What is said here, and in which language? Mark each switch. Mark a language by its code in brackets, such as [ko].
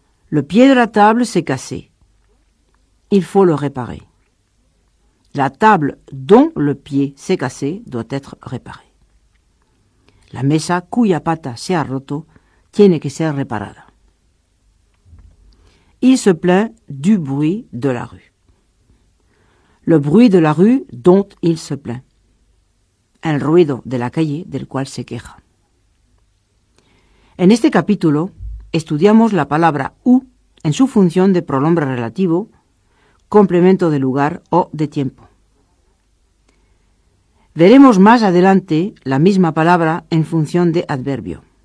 [fr] Le pied de la table s'est cassé. Il faut le réparer. La table dont le pied s'est cassé doit être réparée. [es] La mesa cuya pata se ha roto tiene que ser reparada. [fr] Il se plaint du bruit de la rue. Le bruit de la rue dont il se plaint. [es] El ruido de la calle del cual se queja. En este capítulo estudiamos la palabra u en su función de pronombre relativo, complemento de lugar o de tiempo. Veremos más adelante la misma palabra en función de adverbio.